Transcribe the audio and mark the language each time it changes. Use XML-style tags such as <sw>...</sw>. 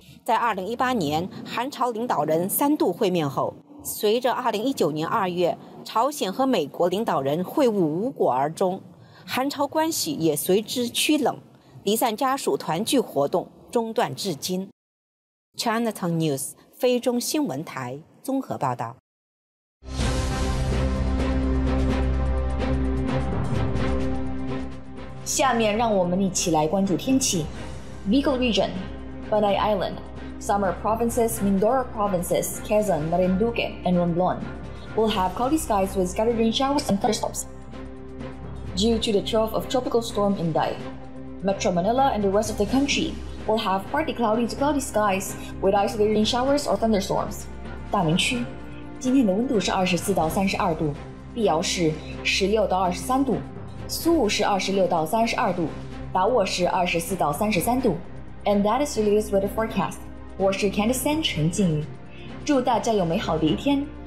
<zh>在2018年韩朝领导人三度会面后，随着2019年2月朝鲜和美国领导人会晤无果而终，韩朝关系也随之趋冷，离散家属团聚活动中断至今。 Cntv News 菲中新闻台综合报道。下面让我们一起来关注天气。</zh> <en>Vigo Region, Banai Island, Summer Provinces, Mindoro Provinces, Quezon, Marinduque, and Romblon will have cloudy skies with scattered rain showers and thunderstorms. Due to the trough of tropical storm Inday, Metro Manila and the rest of the country will have partly cloudy to cloudy skies with isolated rain showers or thunderstorms.</en> <zh>大明区今天的温度是24到32度，碧瑶是16到23度，苏武是26到32度，达沃是24到33度。</zh> <en>And that is the latest weather forecast.</en> <zh>我是 Candice Sen 陈静宇，祝大家有美好的一天。</zh>